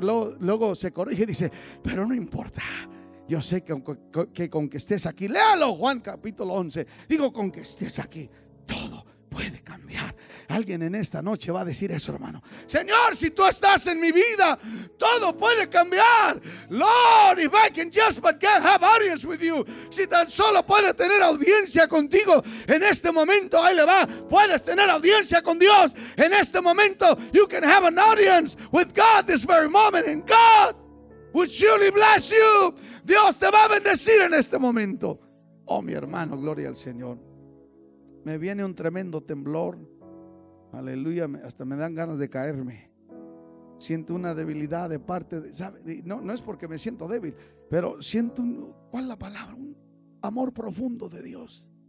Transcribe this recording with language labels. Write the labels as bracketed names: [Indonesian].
[Spanish] Pero luego se corrige y dice: pero no importa, yo sé que con que estés aquí, léalo, Juan capítulo 11. Digo, con que estés aquí, todo puede cambiar. Alguien en esta noche va a decir eso, hermano: Señor, si tú estás en mi vida, todo puede cambiar. [English] Lord, if I can just but get have audience with you. [Spanish] Si tan solo puede tener audiencia contigo en este momento, ahí le va. Puedes tener audiencia con Dios en este momento. [English] You can have an audience with God this very moment, and God will surely bless you. [Spanish] Dios te va a bendecir en este momento. Oh, mi hermano, gloria al Señor. Me viene un tremendo temblor. Aleluya, hasta me dan ganas de caerme. Siento una debilidad de parte de, ¿sabe? No es porque me siento débil, pero siento un amor profundo de Dios.